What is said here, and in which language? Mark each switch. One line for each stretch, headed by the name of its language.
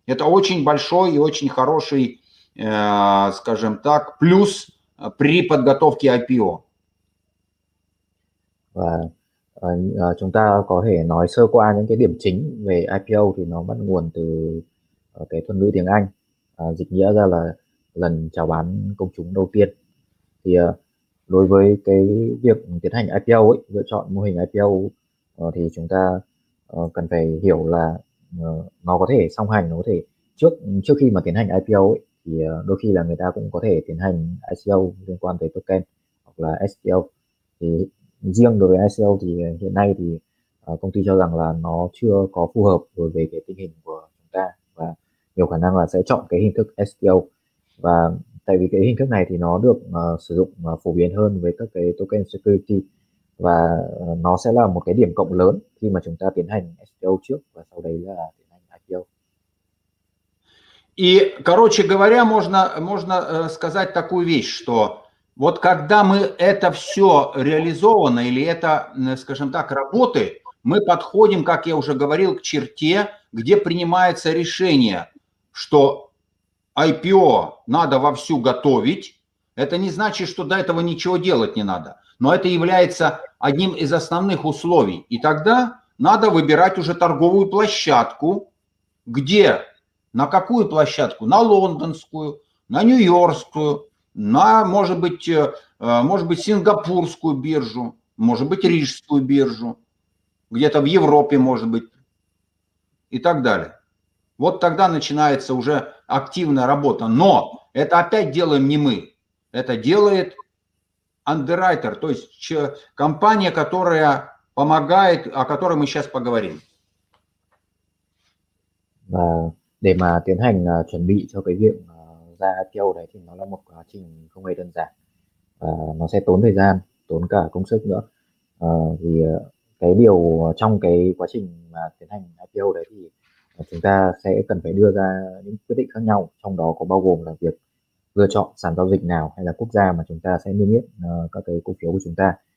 Russian: Это очень большой и очень хороший, скажем так, плюс при подготовке IPO.
Vietnamese: Chúng ta có thể nói sơ qua những cái điểm chính về IPO thì nó bắt nguồn từ cái thuật ngữ tiếng Anh, dịch nghĩa ra là lần chào bán công chúng đầu tiên. Thì đối với cái việc tiến hành IPO ấy, lựa chọn mô hình IPO thì chúng ta cần phải hiểu là nó có thể song hành, nó có thể trước khi mà tiến hành IPO ấy, thì đôi khi là người ta cũng có thể tiến hành ICO liên quan tới token hoặc là SPO. Thì riêng đối với ICO thì hiện nay thì công ty cho rằng là nó chưa có phù hợp đối với cái tình hình của chúng ta và nhiều khả năng là sẽ chọn cái hình thức SPO. Và tại vì cái hình thức này thì nó được sử dụng phổ biến hơn với các cái token security và nó sẽ là một cái điểm cộng lớn khi mà chúng ta tiến hành SPO trước và sau đấy là tiến hành IPO.
Russian: И, короче говоря, можно сказать такую вещь, что вот когда мы это все реализовано или это, скажем так, работы, мы подходим, как я уже говорил, к черте, где принимается решение, что IPO надо вовсю готовить. Это не значит, что до этого ничего делать не надо, но это является одним из основных условий. И тогда надо выбирать уже торговую площадку, где, на какую площадку, на лондонскую, на нью-йоркскую, на, может быть, сингапурскую биржу, может быть, рижскую биржу, где-то в Европе, может быть, и так далее. Вот тогда начинается уже активная работа. Но это опять делаем не мы. Это делает underwriter, то есть компания, которая помогает, о которой мы сейчас поговорим.
Vietnamese: Để mà tiến hành chuẩn bị cho cái việc ra IPO đấy thì nó là một quá trình không hề đơn giản và nó sẽ tốn thời gian, tốn cả công sức nữa. Vì cái điều trong cái quá trình mà tiến hành IPO đấy thì chúng ta sẽ cần phải đưa ra những quyết định khác nhau, trong đó có bao gồm là việc lựa chọn sàn giao dịch nào hay là quốc gia mà chúng ta sẽ niêm yết các cái cổ phiếu của chúng ta.